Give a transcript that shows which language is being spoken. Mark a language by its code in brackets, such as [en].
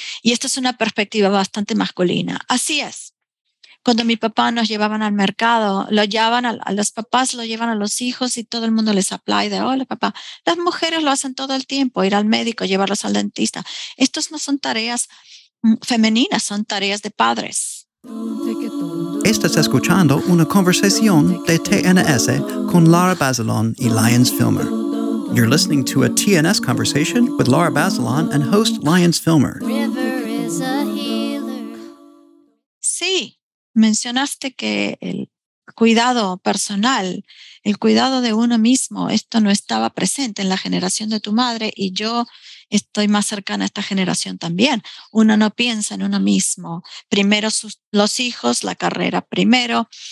[es] Y esta es una perspectiva bastante masculina. Así es. Cuando mi papá nos llevaban al mercado, lo llevan a los hijos y todo el mundo les aplaude. Hola, papá. Las mujeres lo hacen todo el tiempo, ir al médico, llevarlos al dentista. Estos no son tareas femeninas, son tareas de padres. Estás escuchando una conversación de TNS con Laura Bazelon y Lyons Filmer. [en] You're listening to a TNS conversation with Laura Bazelon and host Lyons Filmer. River is a healer. [es] Sí. Mencionaste que el cuidado personal, el cuidado de uno mismo, esto no estaba presente en la generación de tu madre, y yo estoy más cercana a esta generación también. Uno no piensa en uno mismo. Primero los hijos, la carrera primero.